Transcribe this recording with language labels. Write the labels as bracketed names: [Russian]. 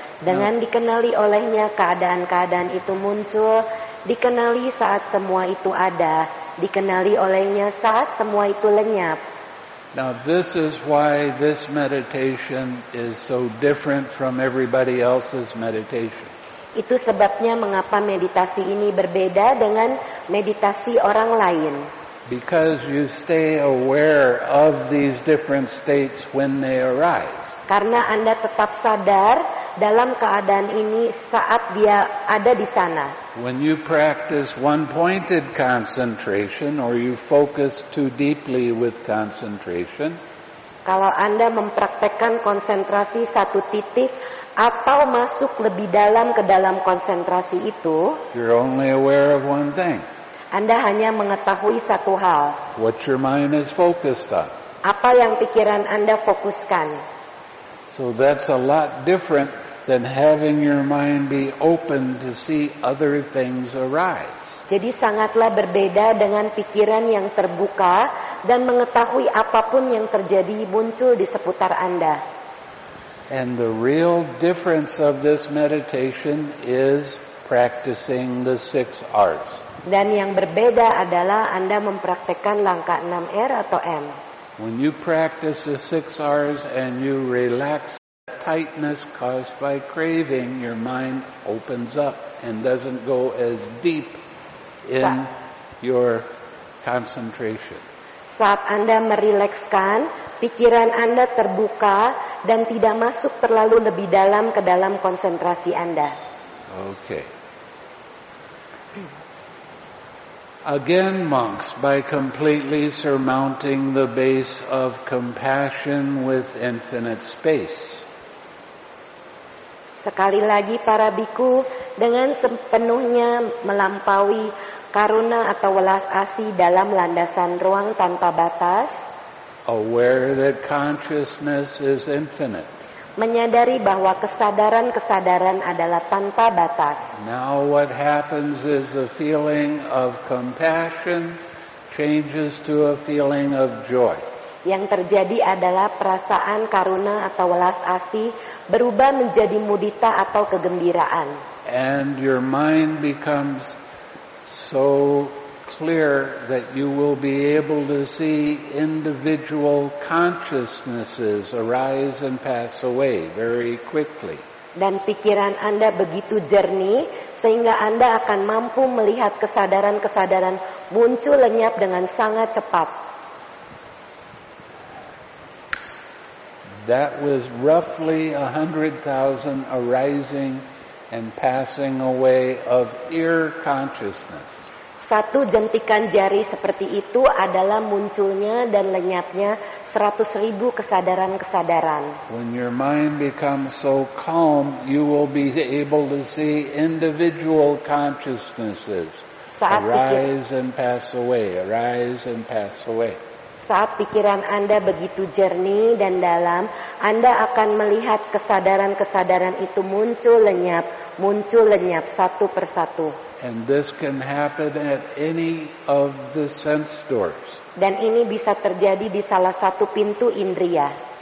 [Indonesian] Dengan dikenali olehnya keadaan-keadaan itu muncul, dikenali saat semua itu ada, dikenali olehnya saat semua itu lenyap. [English] Now this is why this meditation is so different from everybody else's meditation. [Indonesian] Itu sebabnya mengapa meditasi ini berbeda dengan meditasi orang lain. [English] Because you stay aware of these different states when they arise. [Indonesian] Karena Anda tetap sadar dalam keadaan ini saat dia ada di sana. [English] When you practice one-pointed concentration or you focus too deeply with concentration. [Indonesian] Kalau Anda mempraktekkan konsentrasi satu titik atau masuk lebih dalam ke dalam konsentrasi itu, [English] you're only aware of one thing. [Indonesian] Anda hanya mengetahui satu hal. [English] What your mind is focused on. [Indonesian] Apa yang pikiran Anda fokuskan? [English] So that's a lot different than having your mind be open to see other things arise. [Indonesian] Jadi sangatlah berbeda dengan pikiran yang terbuka dan mengetahui apapun yang terjadi muncul di seputar Anda. [English] And the real difference of this meditation is practicing the six arts. [Indonesian] Dan yang berbeda adalah Anda mempraktekkan langkah 6 R atau M. [English] When you practice the six R's and you relax the tightness caused by craving, your mind opens up and doesn't go as deep in your concentration. [Indonesian] Saat Anda merilekskan, pikiran Anda terbuka dan tidak masuk terlalu lebih dalam ke dalam konsentrasi Anda. [English] Okay. Again, monks, by completely surmounting the base of compassion with infinite space. [Indonesian] Sekali lagi para bhikkhu dengan sepenuhnya melampaui karuna atau welas asih dalam landasan ruang tanpa batas. [English] Aware that consciousness is infinite. [Indonesian] Menyadari bahwa kesadaran-kesadaran adalah tanpa batas. [English] Now what happens is the feeling of compassion changes to a feeling of joy. [Indonesian] Yang terjadi adalah perasaan karuna atau welas asih berubah menjadi mudita atau kegembiraan. [English] And your mind becomes so clear that you will be able to see individual consciousnesses arise and pass away very quickly. [Indonesian] Dan pikiran Anda begitu jernih sehingga Anda akan mampu melihat kesadaran-kesadaran muncul lenyap dengan sangat cepat. [English] That was roughly 100,000 arising and passing away of ear consciousness. [Indonesian] Satu jentikan jari seperti itu adalah munculnya dan lenyapnya 100,000 kesadaran-kesadaran. [English] When your mind becomes so calm, you will be able to see individual consciousnesses arise and pass away, arise and pass away. [Indonesian] Saat pikiran Anda begitu jernih dan dalam, Anda akan melihat kesadaran-kesadaran itu muncul lenyap satu persatu. [English] And this can happen at any of the sense doors. [Indonesian] Dan ini bisa terjadi di salah satu pintu indria.